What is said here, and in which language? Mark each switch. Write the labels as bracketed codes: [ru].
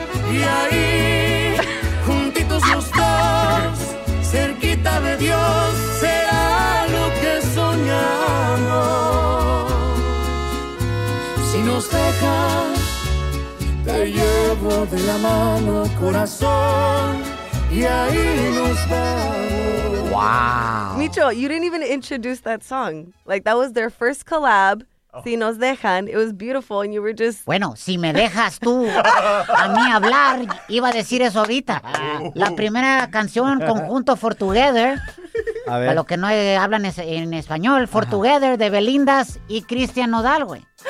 [es] Y ahí, juntitos los dos, cerquita de Dios, será lo que soñamos. Si nos dejan, te llevo de la mano, corazón, y ahí nos vamos. [en] Wow. Micho, you didn't even introduce that song. Like, that was their first collab. Si nos dejan, it was beautiful, and you were just... [es] Bueno, si me dejas tú a mí hablar, iba a decir eso ahorita. La primera canción, conjunto For Together, a ver. Para los que no hablan en español, For Together, de Belindas y Cristian Nodal, güey.